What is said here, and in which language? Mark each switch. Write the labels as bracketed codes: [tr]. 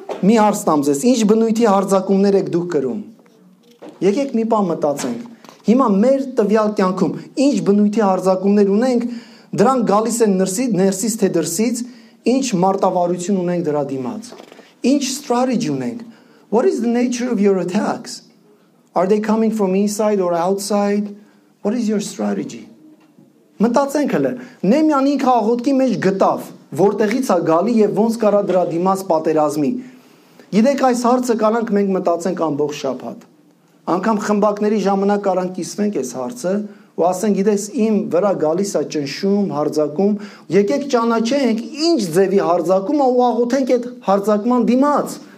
[hy] Մի հարց տամ ձեզ, ի՞նչ բնույթի հարձակումներ եք դուք կրում։ Եկեք մի պահ մտածենք։ Հիմա մեր տվյալ կյանքում ի՞նչ բնույթի հարձակումներ ունենք, դրանք գալիս են ներսից թե դրսից, ի՞նչ մարտավարություն ունենք դրա դիմաց։ Ի՞նչ strategy ունենք։ [en] What is the nature of your attacks? Are they coming from inside or outside? What is your strategy? [hy] Մտածենք հլը։ Նեմյան ինքը աղոտքի մեջ գտավ, որտեղից է գալի եւ ո՞նց կարա դրա դիմաց պատերազմի։ Գիտեք, այս հարցը կարանք մենք մտածենք ամբողջ շաբաթ։ Անգամ խմբակների ժամանակ առանք իսվենք այս հարցը ու ասենք, գիտես, իմ վրա գալիս է ճնշում, հարձակում, եկեք ճանաչենք ինչ ձևի հարձակում է ու աղոթենք այդ հարձակման դիմաց։